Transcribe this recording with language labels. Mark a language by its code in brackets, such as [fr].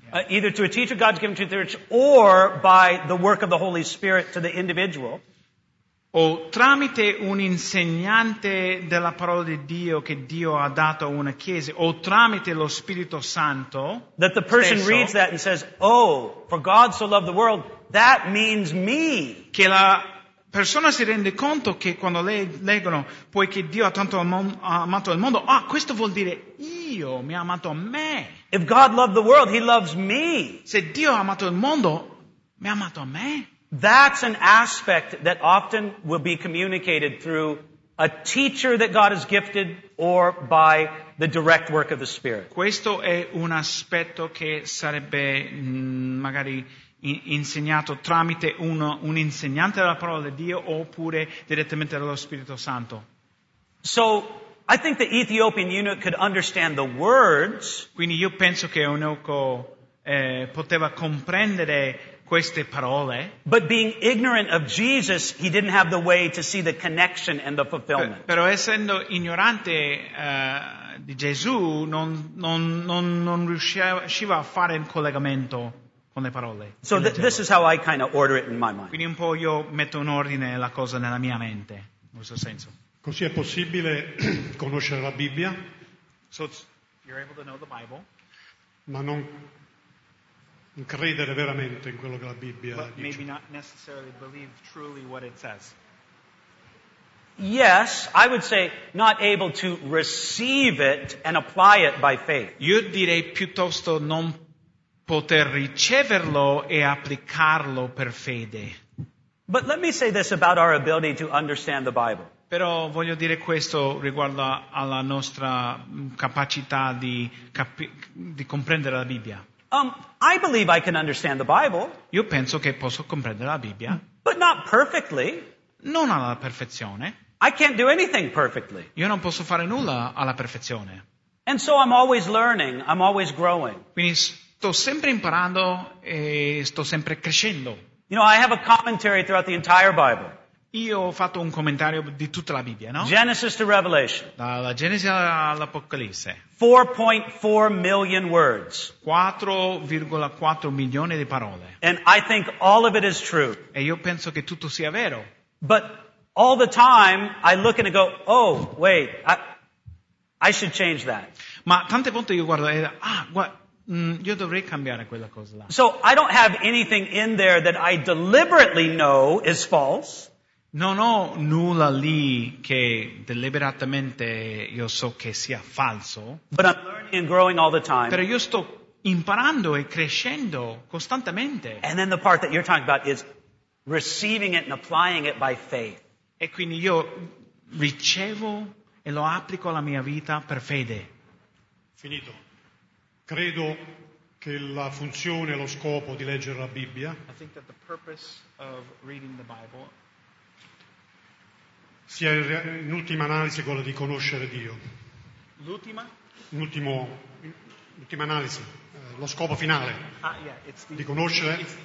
[en] Either through a teacher God's given to the church or by the work of the Holy Spirit to the individual. [it] O tramite un insegnante della parola di Dio che Dio ha dato a una chiesa, o tramite lo Spirito Santo, [en] that the person [it] stesso, [en] reads that and says, oh, for God so loved the world, that means me. [it] Che la persona si rende conto che quando leggono, poiché Dio ha tanto amato il mondo, ah, questo vuol dire io, mi ha amato a me. [en] If God loved the world, he loves me. [it] Se Dio ha amato il mondo, mi ha amato a me. [en] That's an aspect that often will be communicated through a teacher that God has gifted or by the direct work of the Spirit. [it] Questo è un aspetto che sarebbe magari insegnato tramite un insegnante della parola di Dio oppure direttamente dallo Spirito Santo. [en] So I think the Ethiopian eunuch could understand the words. [it] Quindi io penso che eunuco poteva comprendere queste parole. [en] But being ignorant of Jesus, he didn't have the way to see the connection and the fulfillment. [it] Però essendo ignorante di Gesù, non riusciva a fare un collegamento con le parole. [en] So this is how I kind of order it in my mind. [it] Quindi un po' io metto in ordine la cosa nella mia mente, in questo senso. Così è possibile conoscere la Bibbia? [en] So you're able to know the Bible. [it] Ma non credere veramente in quello che la Bibbia [en] but [it] dice. [en] Maybe not necessarily believe truly what it says. Yes, I would say not able to receive it and apply it by faith. [it] Io direi piuttosto non poter riceverlo e applicarlo per fede. [en] But let me say this about our ability to understand the Bible. [it] Però voglio dire questo riguardo alla nostra capacità di comprendere la Bibbia. [en] I believe I can understand the Bible. [it] Io penso che posso comprendere la Bibbia. [en] But not perfectly. [it] Non alla perfezione. [en] I can't do anything perfectly. [it] Io non posso fare nulla alla perfezione. [en] And so I'm always learning, I'm always growing. [it] Quindi sto sempre imparando e sto sempre crescendo. [en] You know, I have a commentary throughout the entire Bible. [it] Io ho fatto un commentario di tutta la Bibbia, no? [en] Genesis to Revelation. [it] Dalla Genesi all'Apocalisse. [en] 4.4 million words. [it] 4,4 milioni di parole. [en] And I think all of it is true. [it] E io penso che tutto sia vero. [en] But all the time I look and I go, oh, wait, I should change that. [it] Ma tante volte io guardo e io dovrei cambiare quella cosa là. [en] So I don't have anything in there that I deliberately know is false. [it] Non ho nulla lì che deliberatamente io so che sia falso. [en] But I'm learning and growing all the time. [it] Però io sto imparando e crescendo costantemente. [en] And then the part that you're talking about is receiving it and applying it by faith. [it] E quindi io ricevo e lo applico alla mia vita per fede. Finito. Credo che la funzione e lo scopo di leggere la Bibbia, [en] I think that the purpose of reading the Bible, [it] sia in ultima analisi quella di conoscere Dio. L'ultima? L'ultima analisi, lo scopo finale di conoscere.